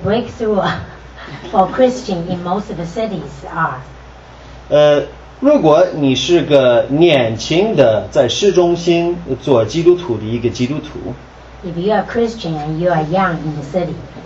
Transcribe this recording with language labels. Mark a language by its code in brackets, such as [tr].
[en] Breakthrough for Christian in most of the cities are. [zh] 如果你是个年轻的在市中心做基督徒的一个基督徒。 [en] If you are Christian and you are young in the city.